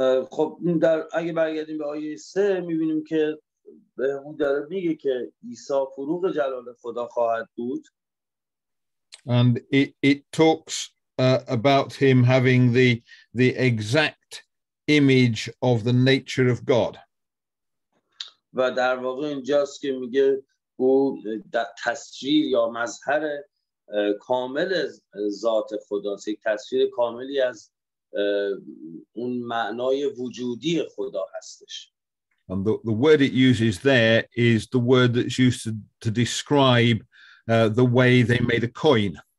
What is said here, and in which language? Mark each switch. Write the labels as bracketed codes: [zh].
[fa] خب در اگه برگردیم به آیه 3 میبینیم که به اون داره میگه که عیسی فروغ جلال خدا خواهد بود. [en] And it talks about him having the exact image of the nature of God. [fa] و در واقع اینجاست که میگه او تصویر یا مظهر کامل ذات خداست، یک تصویر کاملی از اون معنای وجودی خدا هستش. [en] And the word it uses there is the word that's used to describe the way they made a coin.